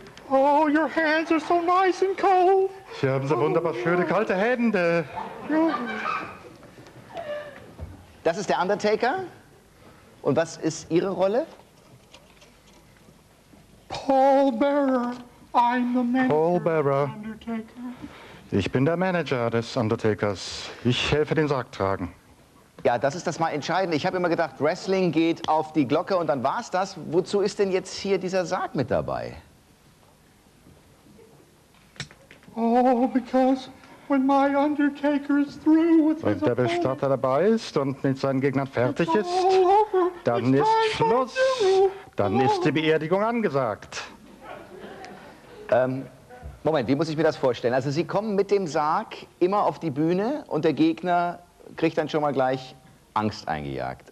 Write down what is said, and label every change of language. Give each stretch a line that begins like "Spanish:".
English: Oh, your hands are so nice and cold.
German: Sie haben so wunderbar schöne kalte Hände. Das ist der Undertaker. Und was ist Ihre Rolle?
English: Paul Bearer. I'm the manager. Paul Bearer.
German: Ich bin der Manager des Undertakers. Ich helfe den Sarg tragen. Ja, das ist das mal Entscheidende. Ich habe immer gedacht, Wrestling geht auf die Glocke und dann war's das. Wozu ist denn jetzt hier dieser Sarg mit dabei?
English: Oh, because when my Undertaker is through with his opponent,
German: wenn der Bestatter dabei ist und mit seinen Gegnern fertig ist, dann ist Schluss. Dann ist die Beerdigung angesagt. Moment, wie muss ich mir das vorstellen? Also Sie kommen mit dem Sarg immer auf die Bühne und der Gegner kriegt dann schon mal gleich Angst eingejagt.